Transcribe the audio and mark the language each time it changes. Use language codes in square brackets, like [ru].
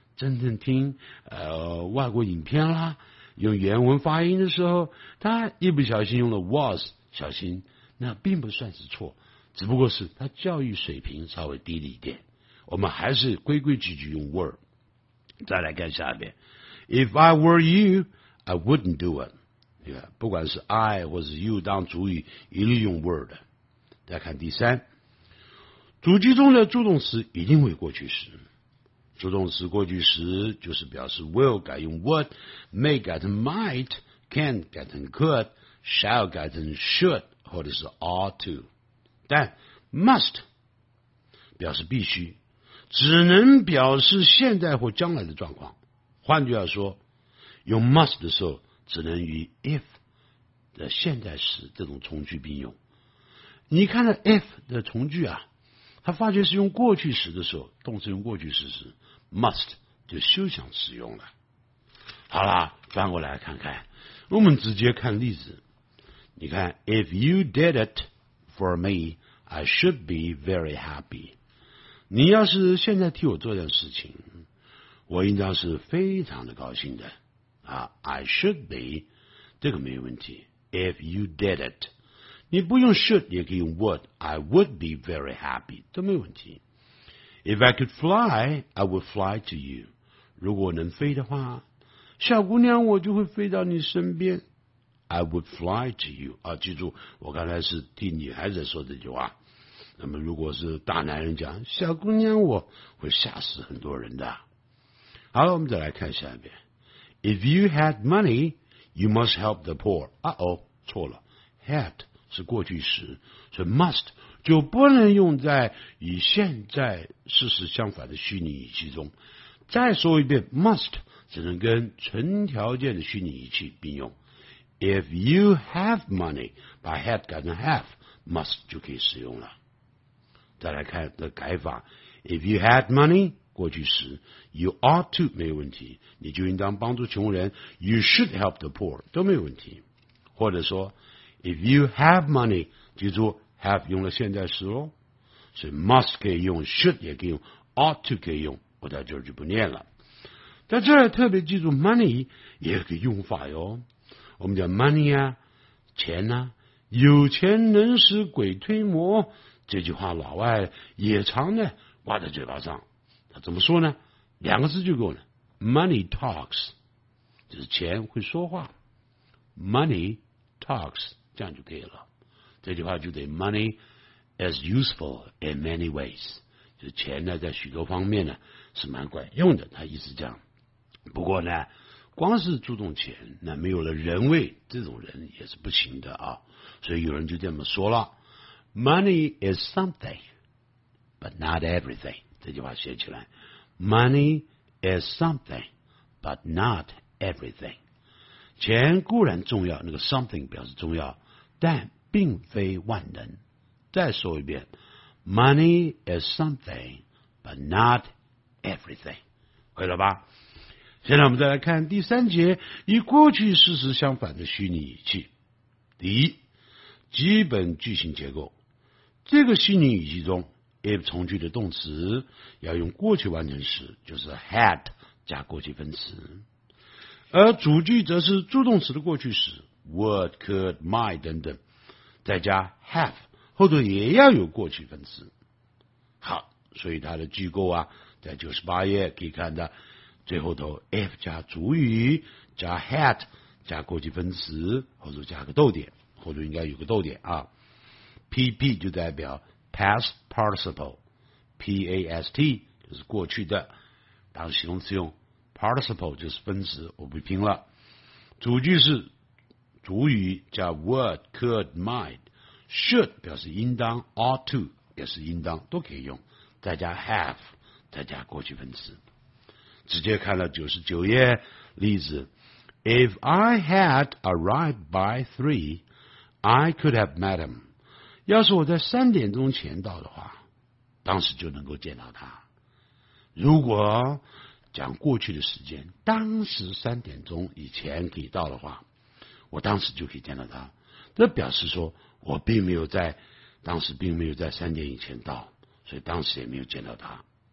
[zh] 真正听外国影片啦，用原文发音的时候，他一不小心用了 was， 小心，那并不算是错，只不过是他教育水平稍微低了一点。我们还是规规矩矩用 were。再来看下边 [en] ，If I were you, I wouldn't do it。 [zh] Yeah， 不管是 I 或是 you 当主语，一律用 were 的。再看第三，主句中的助动词一定为过去时。主动词过去时就是表示 will 改用 would， may 改成 might， can 改成 could， shall 改成 should， 或者是 ought to， 但 must 表示必须，只能表示现在或将来的状况。换句话说，用 must 的时候只能与 if 的现在时这种从句并用。你看到 if 的从句啊，他发觉是用过去时的时候，动词用过去时must 就休想使用了。好啦，翻过来看看，我们直接看例子。 [en] 你看 ，If you did it for me, I should be very happy。 [zh] 你要是现在替我做点事情，我应当是非常的高兴的啊。 [en] I should be， [zh] 这个没问题。 [en] If you did it， [zh] 你不用 [en] should， [zh] 也可以用 [en] would。 I would be very happy， 都没问题。 If I could fly, I would fly to you. [zh] 如果我能飞的话，小姑娘我就会飞到你身边。 [en] I would fly to you. [zh] 啊，记住，我刚才是替女孩子说这句话。那么如果是大男人讲，小姑娘我会吓死很多人的。好了，我们再来看下一遍。 [en] If you had money, you must help the poor. [zh] 啊哦，错了。 Had 是过去时，所以 must就不能用在与现在事实相反的虚拟语气中。再说一遍 ，must 只能跟纯条件的虚拟语气并用。 [en] If you have money， [zh] 把 had 改成 have，must 就可以使用了。再来看的改法 ， [en] If you had money， [zh] 过去时 ，you ought to 没问题，你就应当帮助穷人 ， [en] you should help the poor [zh] 都没问题。或者说 [en] ，If you have money， [zh] 记住。 Have 用了现在时哦，所以 must 可以用 ，should 也可以用 ，ought to 可以用，我在这儿就不念了。在这儿特别记住 money 也有个用法哟。我们讲 money 啊，钱呐、啊，有钱能使鬼推磨，这句话老外也常呢挂在嘴巴上。他怎么说呢？两个字就够了 ， [en] money talks， [zh] 就是钱会说话 ，money talks， 这样就可以了。这句话就得 [en] money is useful in many ways， [zh] 就钱呢在许多方面呢是蛮管用的，他意思这样。不过呢，光是注重钱，那没有了人味，这种人也是不行的啊。所以有人就这么说了 [en] ，money is something， but not everything。 [zh] 这句话写起来 [en] ，money is something， but not everything。 [zh] 钱固然重要，那个 something 表示重要，但并非万能。再说一遍 [en] ，money is something, but not everything。 [zh] 会了吧？现在我们再来看第三节，与过去事实相反的虚拟语气。第一，基本句型结构。这个虚拟语气中 ，if 从句的动词要用过去完成时，就是 had 加过去分词；而主句则是助动词的过去时 ，would, could, might 等等。再加 have， 后头也要有过去分词。好，所以它的句构啊，在98页可以看到，最后头 if 加主语，加 had， 加过去分词，后头加个逗点，后头应该有个逗点啊。 PP 就代表 [en] past participle， [zh] PAST 就是过去的，当形容词用 ，participle 就是分词，我不拼了。主句是主语加 would, could, might, should 表示应当 ,ought to 也是应当，都可以用，再加 have, 再加过去分词。 [en] 直接看了99页例子， If I had arrived by 3, I could have met him. [zh] 要是我在三点钟前到的话，当时就能够见到他。如果讲过去的时间，当时三点钟以前可以到的话，我当时就可以见到他。这表示说我并没有在当时并没有在三点以前到，所以当时也没有见到他。